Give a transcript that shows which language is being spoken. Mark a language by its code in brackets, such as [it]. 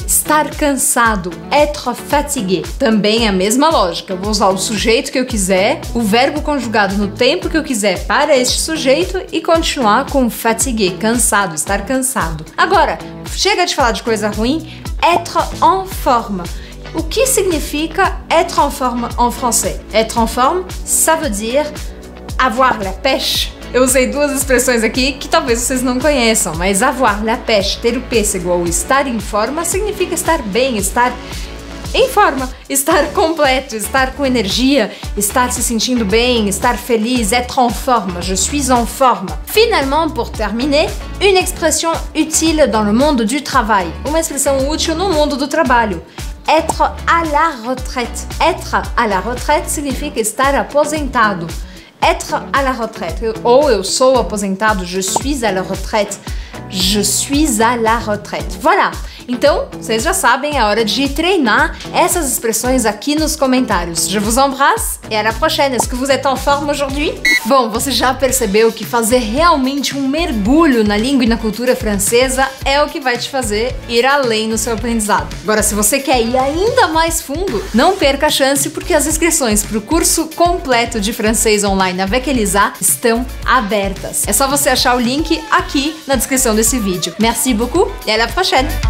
[pt] Estar cansado. [fr] Être fatigué. [pt] Também é a mesma lógica. Eu vou usar o sujeito que eu quiser, o verbo conjugado no tempo que eu quiser para este sujeito e continuar com fatigué, cansado, estar cansado. Agora, chega de falar de coisa ruim. [fr] Être en forme. [pt] O que significa [fr] être en forme en français? Être en forme, ça veut dire avoir la pêche. [pt] Eu usei duas expressões aqui que talvez vocês não conheçam, mas [fr] avoir la pêche, [pt] ter o pêssego ou estar em forma, significa estar bem, estar em forma, estar completo, estar com energia, estar se sentindo bem, estar feliz, [fr] être en forme, je suis en forme. Finalement, pour terminer, une expression utile dans le monde du travail. [pt] Uma expressão útil no mundo do trabalho. [fr] Être à la retraite. Être à la retraite [pt] significa estar aposentado. [fr] Être à la retraite. [pt] Ou eu sou aposentado, [fr] je suis à la retraite. Je suis à la retraite. Voilà! [pt] Então, vocês já sabem, é hora de treinar essas expressões aqui nos comentários. [fr] Je vous embrasse et à la prochaine. Est-ce que vous êtes en forme aujourd'hui? [pt] Bom, você já percebeu que fazer realmente um mergulho na língua e na cultura francesa é o que vai te fazer ir além no seu aprendizado. Agora, se você quer ir ainda mais fundo, não perca a chance, porque as inscrições para o curso completo de francês online Avec Elisa estão abertas. É só você achar o link aqui na descrição desse vídeo. [fr] Merci beaucoup et à la prochaine!